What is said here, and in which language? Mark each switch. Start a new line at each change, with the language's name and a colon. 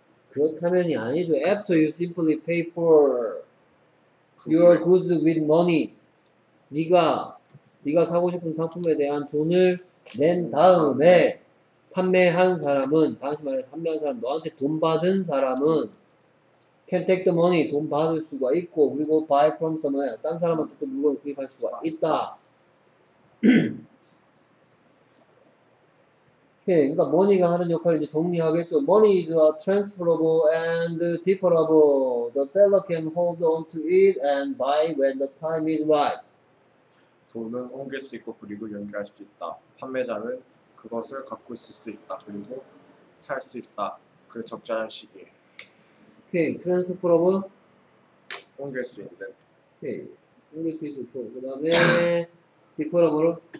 Korean: 그렇다면이 아니죠
English: After you simply pay for your goods with money
Korean: 네가 사고 싶은 상품에 대한 돈을 낸 다음에 판매한 사람은 당신 말에 판매한 사람 너한테 돈 받은 사람은
English: can take the money
Korean: 돈 받을 수가 있고 그리고
English: buy from someone
Korean: 다른 사람한테 또 물건을 구입할 수가 있다. 예, 그러니까 머니가 하는 역할을 이제 정리하겠죠.
English: Money is a transferable and deferable. The seller can hold on to it and buy when the time is right.
Korean: 돈은 옮길 수 있고 그리고 연기할 수 있다. 판매자는 그것을 갖고 있을 수 있다. 그리고 살 수 있다. 그 적절한 시기에.
English: Okay, transferable.
Korean: 옮길 수 있는. Okay, 옮길 수 있고 그다음에 deferable.